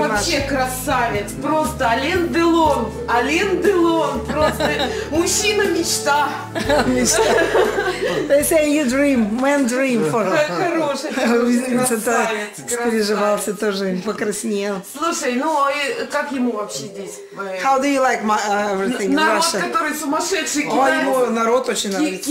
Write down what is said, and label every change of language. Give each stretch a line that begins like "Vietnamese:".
Russian: Он вообще красавец. Просто Ален Делон. Ален Делон. Просто мужчина-мечта. Мечта.
English: They say you dream. Man dream for her.
Russian: Хороший. Винсент-то переживался тоже. Покраснел. Слушай, ну а как ему вообще здесь?
English: How do you like everything in Russia?
Russian: Народ, который сумасшедший, кидается. Ой, народ очень нравится.